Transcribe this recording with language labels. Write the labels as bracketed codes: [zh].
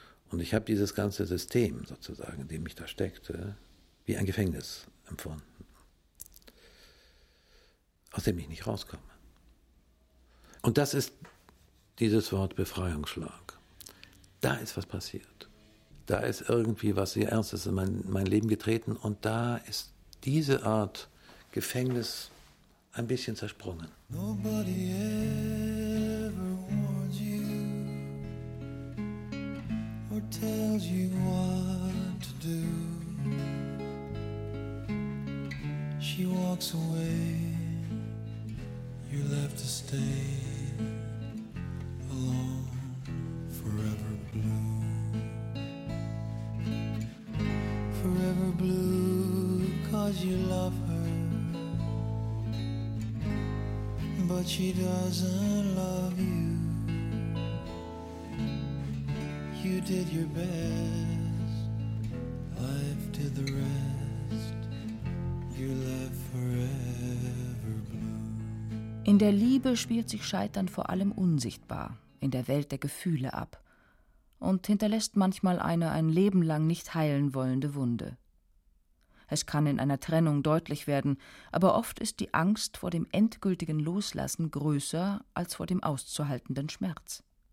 [de] Und ich habe dieses ganze System sozusagen, in dem ich da steckte, wie ein Gefängnis empfunden, aus dem ich nicht rauskomme. Und das ist dieses Wort Befreiungsschlag. Da ist was passiert. Da ist irgendwie was sehr Ernstes in mein Leben getreten und da ist diese Art Gefängnis ein bisschen zersprungen. [en] Nobody ever warns you or tells you what to do. She walks away, you're left to stay alone, forever blue. Forever blue, 'cause you love her, but she doesn't love you. You did your best, life did the rest, you left forever blue. [de] In der Liebe spielt sich Scheitern vor allem unsichtbar, in der Welt der Gefühle ab. Und hinterlässt manchmal eine ein Leben lang nicht heilen wollende Wunde. Es kann in einer Trennung deutlich werden, aber oft ist die Angst vor dem endgültigen Loslassen größer als vor dem auszuhaltenden Schmerz.